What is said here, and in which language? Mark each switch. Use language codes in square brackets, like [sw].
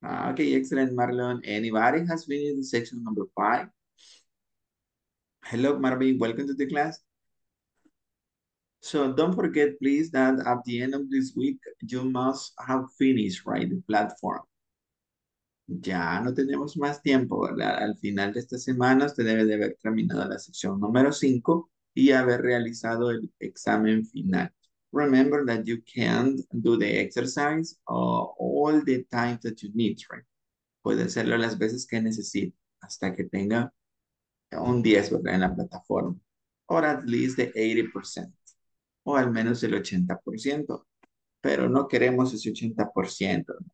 [en] Okay, excellent, Marlon. Anybody has finished the section number 5? Hello, Marvin. Welcome to the class. So don't forget, please, that at the end of this week, you must have finished, right, the platform. [es] Ya no tenemos más tiempo, ¿verdad? Al final de esta semana, usted debe de haber terminado la sección número 5 y haber realizado el examen final. [en] Remember that you can't do the exercise all the time that you need, right? [es] Puede hacerlo las veces que necesite hasta que tenga un 10, ¿verdad? En la plataforma. O [en] at least the 80%. [es] O al menos el 80%. Pero no queremos ese 80%.